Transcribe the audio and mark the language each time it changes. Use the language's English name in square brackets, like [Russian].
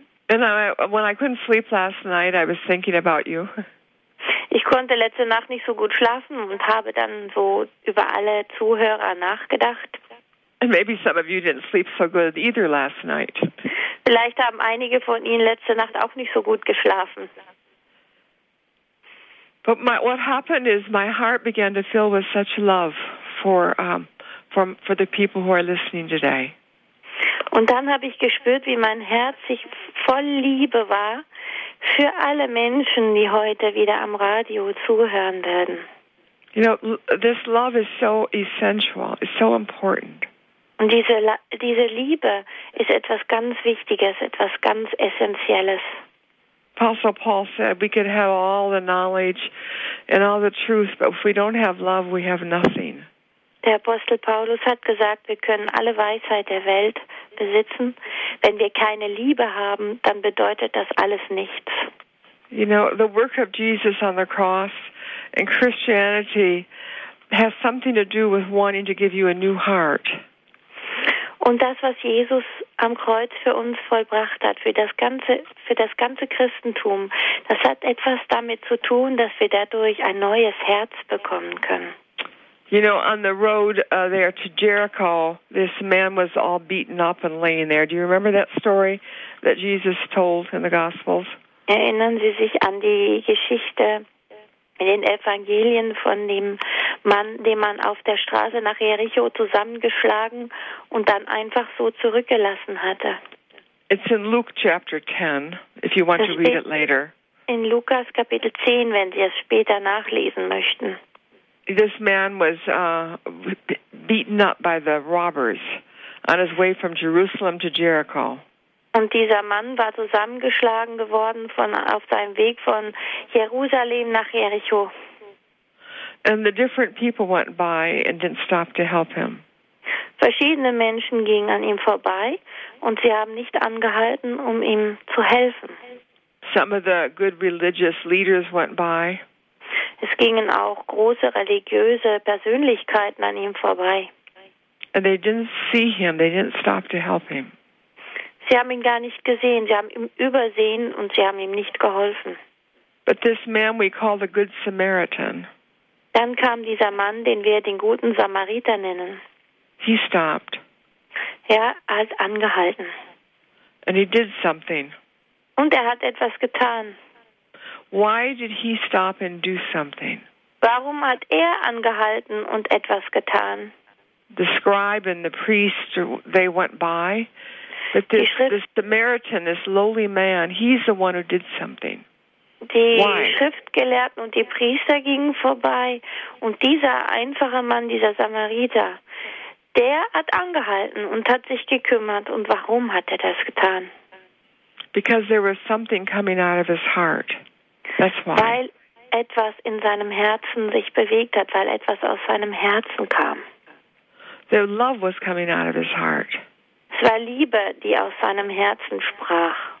[English] And when I couldn't sleep last night, I was thinking about you. [German] Ich konnte letzte Nacht nicht so gut schlafen und habe dann so über alle Zuhörer nachgedacht. [English] And maybe some of you didn't sleep so good either last night. [German] Vielleicht haben einige von Ihnen letzte Nacht auch nicht so gut geschlafen. [English] But what happened is my heart began to fill with such love for the people who are listening today. [German] Und dann habe ich gespürt, wie mein Herz sich voll Liebe war. Für alle Menschen, die heute wieder am Radio zuhören werden. [English] You know, this love is so essential, it's so important. [German] Und diese Liebe ist etwas ganz Wichtiges, etwas ganz Essentielles. [English] Apostle Paul said, we could have all the knowledge and all the truth, but if we don't have love, we have nothing. [German] Der Apostel Paulus hat gesagt, wir können alle Weisheit der Welt besitzen, wenn wir keine Liebe haben, dann bedeutet das alles nichts. [English] You know, the work of Jesus on the cross in Christianity has something to do with wanting to give you a new heart. [German] Und das, was Jesus am Kreuz für uns vollbracht hat, für das ganze Christentum, das hat etwas damit zu tun, dass wir dadurch ein neues Herz bekommen können. [English] You know, on the road there to Jericho, this man was all beaten up and laying there. Do you remember that story that Jesus told in the Gospels? [German] Erinnern Sie sich an die Geschichte in den Evangelien von dem Mann, den man auf der Straße nach Jericho zusammengeschlagen und dann einfach so zurückgelassen hatte? [English] It's in Luke chapter 10, if you want to read it later. [German] In Lukas Kapitel 10, wenn Sie es später nachlesen möchten. [English] This man was beaten up by the robbers on his way from Jerusalem to Jericho. [German] Und dieser Mann war zusammengeschlagen geworden auf seinem Weg von Jerusalem nach Jericho. [English] And the different people went by and didn't stop to help him. [German] Verschiedene Menschen gingen an ihm vorbei und sie haben nicht angehalten, um ihm zu helfen. [English] Some of the good religious leaders went by. [German] Es gingen auch große religiöse Persönlichkeiten an ihm vorbei. [English] And they didn't see him, they didn't stop to help him. [German] Sie haben ihn gar nicht gesehen, sie haben ihn übersehen und sie haben ihm nicht geholfen. [English] But this man we call the Good Samaritan. [German] Dann kam dieser Mann, den wir den guten Samariter nennen. [English] He stopped. [German] Er hat angehalten. [English] And he did something. [German] Und er hat etwas getan. [English] Why did he stop and do something? [German] Warum hat er angehalten und etwas getan? [English] The scribe and the priest, they went by. But this Samaritan, this lowly man, he's the one who did something. [German] Die Schriftgelehrten und die Priester gingen vorbei und dieser einfache Mann, dieser Samariter, der hat angehalten und hat sich gekümmert. Und warum hat er das getan? [English] Because there was something coming out of his heart. That's why. [German] Weil etwas in seinem Herzen sich bewegt hat, weil etwas aus seinem Herzen kam. [English] The love was coming out of his heart. [German] Es war Liebe, die aus seinem Herzen sprach.